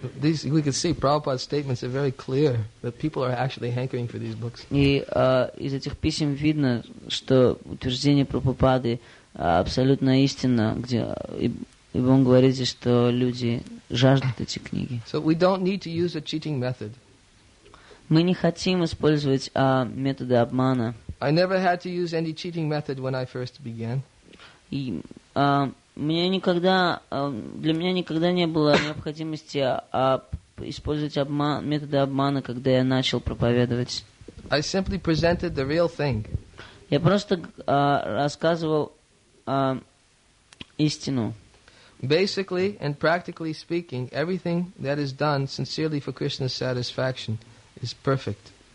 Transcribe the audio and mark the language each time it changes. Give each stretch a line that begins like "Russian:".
English: We can see Prabhupada's statements are very clear that people are actually hankering for these books.
Russian: И из этих писем видно, что утверждение Прабхупады абсолютно истинно, где и он говорит, что люди жаждут эти книги.
English: So we don't need to use a cheating method.
Russian: Мы не хотим использовать методы обмана.
English: I never had to use any cheating method when I first began.
Russian: Для меня никогда не было необходимости использовать методы обмана, когда я начал проповедовать.
English: I simply presented the real thing.
Russian: Я просто рассказывал истину.
English: Basically and practically speaking, everything that is done sincerely for Krishna's satisfaction is perfect.